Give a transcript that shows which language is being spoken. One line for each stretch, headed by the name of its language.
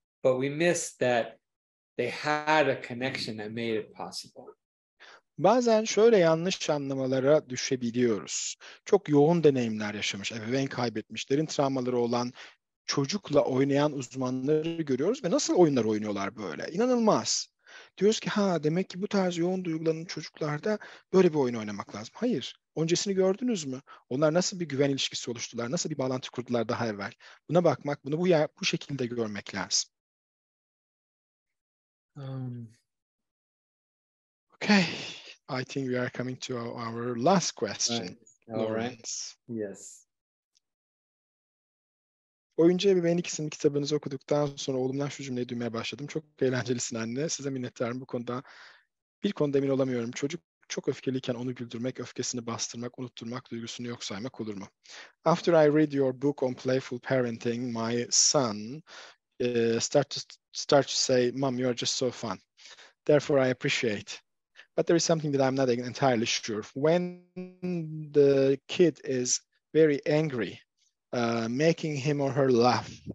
English: But we miss that they had a connection that made it possible.
Turkish: Bazen şöyle yanlış anlamalara düşebiliyoruz. Çok yoğun deneyimler yaşamış, ebeveyn kaybetmiş, derin travmaları olan çocukla oynayan uzmanları görüyoruz ve nasıl oyunlar oynuyorlar böyle? İnanılmaz. Diyoruz ki ha demek ki bu tarz yoğun duygulanan çocuklarda böyle bir oyun oynamak lazım. Hayır. Öncesini gördünüz mü? Onlar nasıl bir güven ilişkisi oluşturdular? Nasıl bir bağlantı kurdular daha evvel? Buna bakmak, bunu bu şekilde görmek lazım.
English: Okay. I think we are coming to our last question. Right. Lawrence. Yes.
Turkish: Oyuncu Ebeveyn ikisinin kitabınızı okuduktan sonra oğlumdan şu cümleyi duymaya başladım. Çok eğlencelisin anne. Size minnettarım bu konuda. Bir konuda emin olamıyorum. Çocuk çok öfkeliyken onu güldürmek, öfkesini bastırmak, unutturmak, duygusunu yok saymak olur mu?
English: After I read your book on playful parenting, my son start to say, Mom, you're just so fun. Therefore, I appreciate. But there is something that I'm not entirely sure. When the kid is very angry, making him or her laugh.